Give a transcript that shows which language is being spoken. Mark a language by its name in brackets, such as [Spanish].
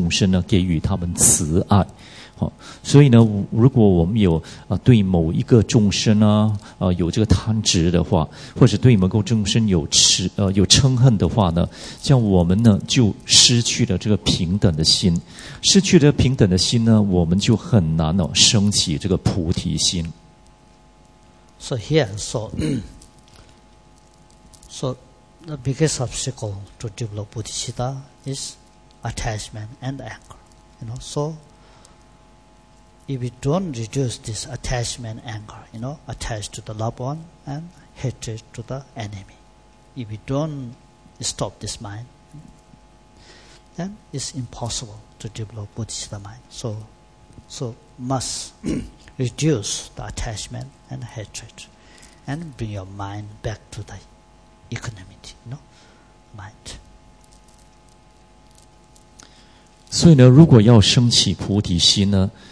[Chinese] 所以呢，我们要升起这平等心呢，是非常重要的。它是我们所有后面要观修的一个基础。要有了这样的平等心呢，我们才能够升起我们的大慈心哦，就能够平等的对待每一个众生呢，给予他们慈爱。所以呢，如果我们有对某一个众生啊，有这个贪执的话，或者对某个众生有嗔恨的话呢，像我们呢就失去了这个平等的心，失去了平等的心呢，我们就很难哦升起这个菩提心。So [English] here, so the biggest obstacle to develop bodhicitta is attachment and anger. You know, so. If you don't reduce this attachment anger, you know, attached to the loved one and hatred to the enemy. If you don't stop this mind, then it's impossible to develop bodhicitta mind. So must reduce the attachment and hatred and bring your mind back to the equanimity, you know, mind. [Chinese] 所以呢，如果要升起菩提心呢？